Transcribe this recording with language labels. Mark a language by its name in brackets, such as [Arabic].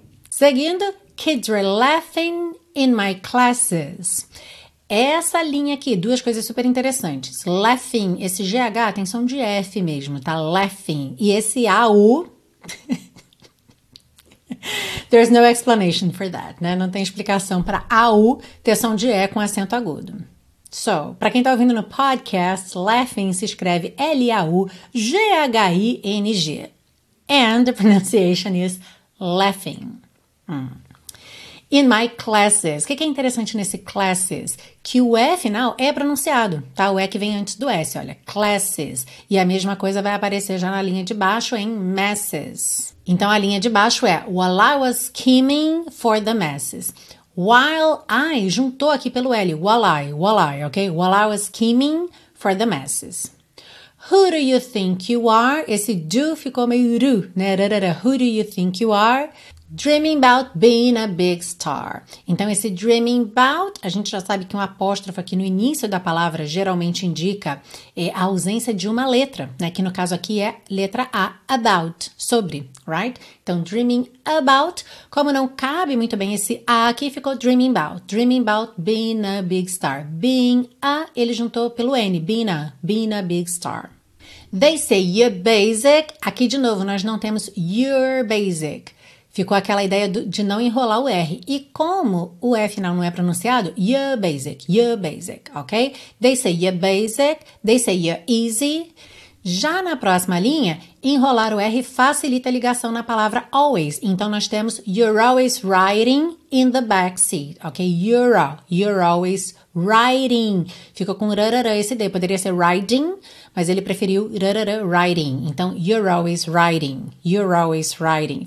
[Portuguese] Seguindo, [English] kids were laughing in my classes. [Portuguese] Essa linha aqui, duas coisas super interessantes. Laughing, esse GH tem som de F mesmo, tá? Laughing. E esse AU... [English] There's no explanation for that, [Portuguese] né? Não tem explicação para AU ter som de E com acento agudo. So, para quem tá ouvindo no podcast, laughing se escreve L-A-U-G-H-I-N-G. [English] And the pronunciation is laughing. In my classes. [Portuguese] O que é interessante nesse classes? Que o E final é pronunciado, tá? O E que vem antes do S, olha. Classes. E a mesma coisa vai aparecer já na linha de baixo em masses. Então, a linha de baixo é [English] while I was scheming for the masses. While I [Portuguese] juntou aqui pelo L, while I, ok? [English] While I was scheming for the masses. Who do you think you are? [Portuguese] Esse do ficou meio ru, né? [English] Who do you think you are? Dreaming about being a big star. [Portuguese] Então, esse dreaming about, a gente já sabe que um apóstrofo aqui no início da palavra geralmente indica a ausência de uma letra, né? Que no caso aqui é letra A, about, sobre, right? Então, dreaming about, como não cabe muito bem esse A aqui, ficou [English] dreaming about being a big star. Being a, [Portuguese] ele juntou pelo N, [English] being a big star. They say you're basic. [Portuguese] Aqui, de novo, nós não temos [English] you're basic. [Portuguese] Ficou aquela ideia de não enrolar o R. E como o E final não é pronunciado, you're basic, ok? [English] They say you're basic, they say you're easy. [Portuguese] Já na próxima linha, enrolar o R facilita a ligação na palavra always. Então, nós temos [English] you're always riding in the back seat, ok? [Portuguese] You're always riding. Ficou com rarara esse D, poderia ser riding, mas ele preferiu rarara riding. Então, [English] you're always riding.